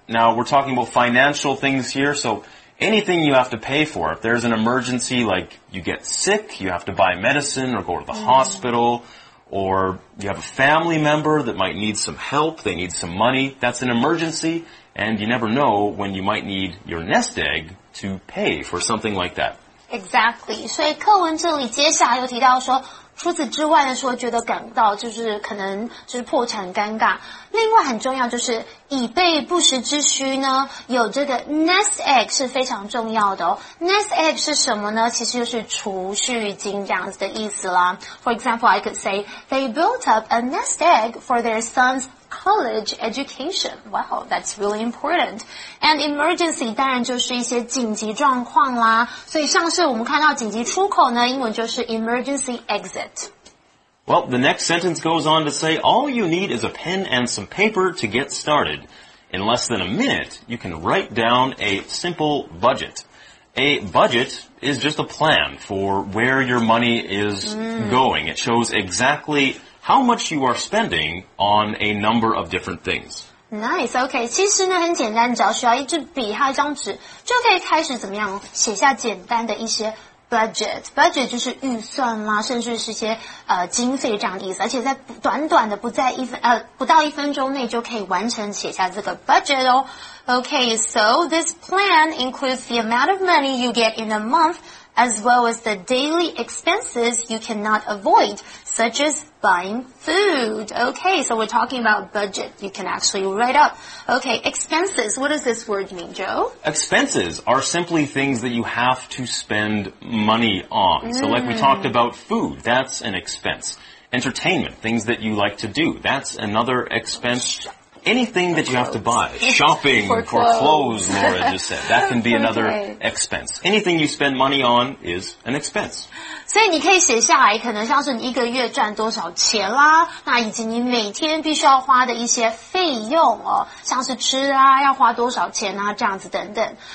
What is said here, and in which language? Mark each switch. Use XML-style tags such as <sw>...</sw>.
<en>Now, we're talking about financial things here, soAnything you have to pay for, if there's an emergency, like you get sick, you have to buy medicine or go to the hospital, or you have a family member that might need some help, they need some money, that's an emergency, and you never know when you might need your nest egg to pay for something like that. Exactly.</en> <zh>所以课文这里接下来又提到说除此之外呢，说觉得感到就是可能就是破产尴尬。另外很重要就是以备不时之需呢，有这个 nest egg 是非常重要的哦。 nest egg 是什么呢？其实就是储蓄金这样子的意思啦。 For example, I could say they built up a nest egg for their son's college education.</zh> <en>Wow, that's really important. And emergency</en> <zh>当然就是一些紧急状况啦。所以像是我们看到紧急出口呢，英文就是 emergency exit。</zh> <en>Well, the next sentence goes on to say, all you need is a pen and some paper to get started. In less than a minute, you can write down a simple budget. A budget is just a plan for where your money is going. It shows exactly how much you are spending on a number of different things. Nice, okay.</en> <zh>其实呢很简单，只要需要一支笔和一张纸，就可以开始怎么样写下简单的一些Budget 就是预算啦，甚至是一些经费这样的意思，而且在短短的不到一分钟内就可以完成写下这个 budget 哦。</zh> <en>Okay, so this plan includes the amount of money you get in a month, as well as the daily expenses you cannot avoid, such as buying food. Okay, so we're talking about budget. You can actually write up. Okay, expenses. What does this word mean, Joe? Expenses are simply things that you have to spend money on. So like we talked about food, that's an expense. Entertainment, things that you like to do, that's another expense. Anything that you have to buy, shopping, for clothes, Laura just said, that can be another expense. Anything you spend money on is an expense.</en> <zh>所以你可以写下来，可能像是你一个月赚多少钱啦，那以及你每天必须要花的一些费用哦，像是吃啊，要花多少钱啊，这样子等等。</zh>